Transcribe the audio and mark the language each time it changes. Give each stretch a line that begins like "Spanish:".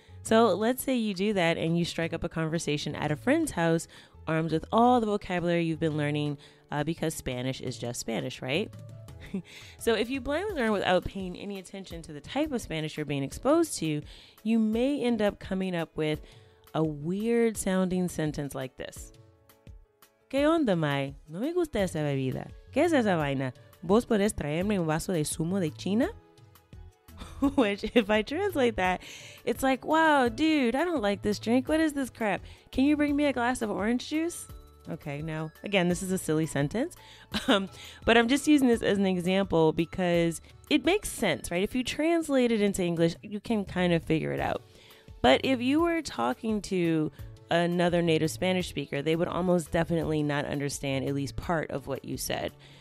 English: So let's say you do that and you strike up a conversation at a friend's house armed with all the vocabulary you've been learning because Spanish is just Spanish, right? So if you blindly learn without paying any attention to the type of Spanish you're being exposed to, you may end up coming up with a weird sounding sentence like this.
Spanish: ¿Qué onda, Mai? No me gusta esa bebida. ¿Qué es esa vaina? ¿Vos podés traerme un vaso de zumo de China?
English: Which, if I translate that, it's like, wow, dude, I don't like this drink. What is this crap? Can you bring me a glass of orange juice? Okay, now, again, this is a silly sentence. But I'm just using this as an example because it makes sense, right? If you translate it into English, you can kind of figure it out. But if you were talking to another native Spanish speaker, they would almost definitely not understand at least part of what you said.